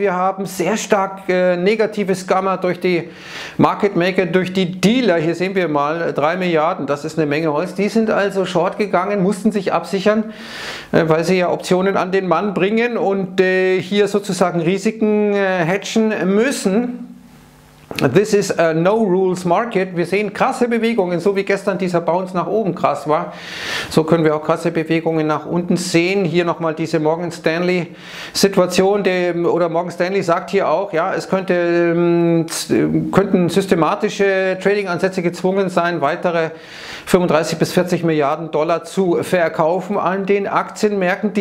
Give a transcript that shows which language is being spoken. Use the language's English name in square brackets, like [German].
[German] Wir haben sehr stark negatives Gamma durch die Market Maker, durch die Dealer. Hier sehen wir mal 3 Milliarden, das ist eine Menge Holz. Die sind also short gegangen, mussten sich absichern, weil sie ja Optionen an den Mann bringen und hier sozusagen Risiken hedgen müssen. [English] This is a no rules market. [German] Wir sehen krasse Bewegungen, so wie gestern dieser Bounce nach oben krass war. So können wir auch krasse Bewegungen nach unten sehen. Hier nochmal diese Morgan Stanley Situation, oder Morgan Stanley sagt hier auch, ja, es könnten systematische Trading-Ansätze gezwungen sein, weitere 35 bis 40 Milliarden Dollar zu verkaufen an den Aktienmärkten.